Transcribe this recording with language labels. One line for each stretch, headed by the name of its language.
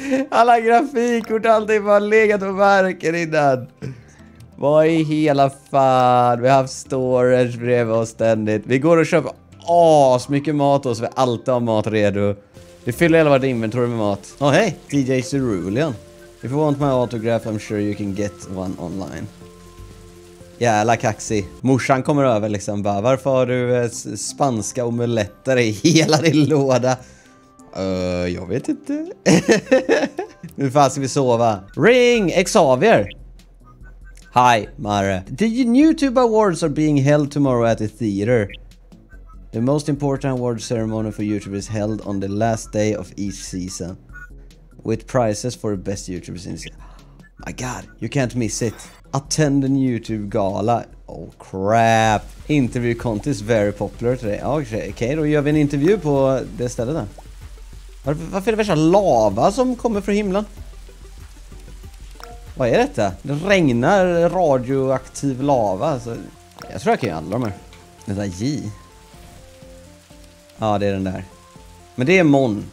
Swedish: Alla grafikkort har alltid bara legat på marken innan. Vad i hela fan? Vi har haft storage bredvid oss ständigt. Vi går och köper as mycket mat och så vi alltid har mat redo. Vi fyller hela vårt inventory med mat. Åh, hej. DJ Cerulean.
English: If you want my autograph, I'm sure you can get one online.
Swedish: Jävla kaxi. Morsan kommer över liksom bara, varför har du spanska omeletter i hela din låda? Jag vet inte. Nu fan ska vi sova. Ring Xavier.
English: Hi, Mare. The YouTube Awards are being held tomorrow at the theater. The most important award ceremony for YouTube is held on the last day of each season. With prizes for the best YouTubers in the season. My god, you can't miss it. Attend
Swedish: en YouTube-gala.
English: Oh crap. Interview contest very popular today.
Swedish: Okej, då gör vi en intervju på det stället där. Varför är det värsta lava som kommer från himlen? Vad är detta? Det regnar radioaktiv lava. Så jag tror jag kan göra alla de här. Den där J. Ja, det är den där. Men det är mon.